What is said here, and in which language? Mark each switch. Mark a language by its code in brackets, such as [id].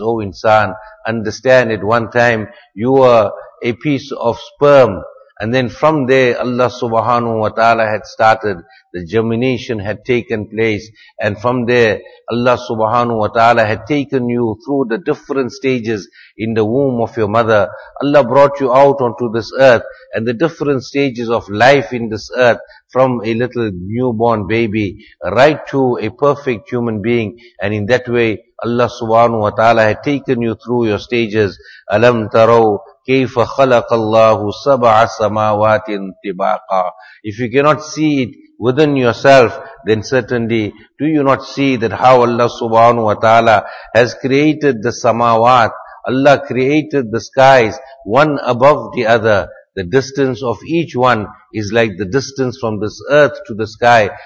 [en] Oh insan, understand it. One time you were a piece of sperm, and then from there Allah subhanahu wa ta'ala had started, the germination had taken place, and from there Allah subhanahu wa ta'ala had taken you through the different stages in the womb of your mother. Allah brought you out onto this earth, and the different stages of life in this earth, from a little newborn baby right to a perfect human being, and in that way Allah subhanahu wa ta'ala had taken you through your stages. [ar] Alam tarau كَيْفَ خَلَقَ اللَّهُ سَبْعَ سَمَاوَاتٍ تِبَاقًا. [en] If you cannot see it within yourself, then certainly do you not see that how Allah subhanahu wa ta'ala has created the samawat. Allah created the skies one above the other. The distance of each one is like the distance from this earth to the sky.